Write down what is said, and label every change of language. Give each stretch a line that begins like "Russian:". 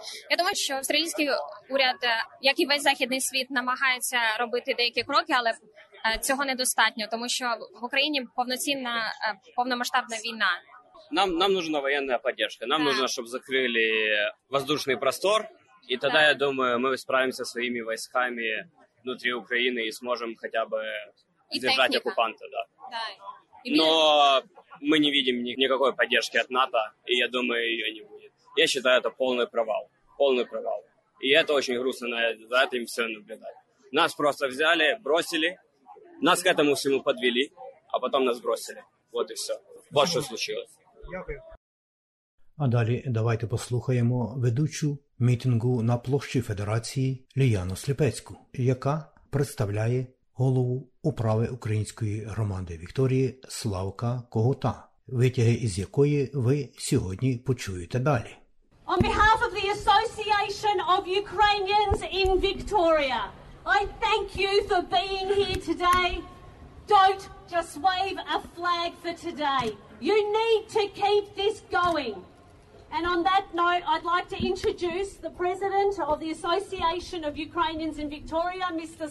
Ukrainian: Я думаю, що австралійський уряд, як і весь західний світ, намагається робити деякі кроки, але цього недостатньо, тому що в Україні повноцінна повномасштабна війна. Нам нужна воєнна підтримка. Нам нужно, щоб закрили воздушний простор, і тоді, я думаю, ми справимося зі своїми військами внутрі України і зможемо хоча б здержати окупанта, да.
Russian: Но мы не видим никакой поддержки от НАТО, и я думаю, ее не будет. Я считаю, это полный провал. Полный провал. И это очень грустно, за этим все наблюдать. Нас просто взяли, бросили, нас к этому всему подвели, а потом нас бросили. Вот и все. Вот что случилось.
Ukrainian: А далі давайте послухаємо ведучу мітингу на площі Федерації Ліяну Сліпецьку, яка представляє голову управи української громади Вікторії Славка Когота, витяги із якої ви сьогодні почуєте далі.
English: On behalf of the Association of Ukrainians in Victoria, I thank you for being here today. Don't just wave a flag for today. You need to keep this going. And on that note, I'd like to introduce the president of the Association of Ukrainians in Victoria, Mr.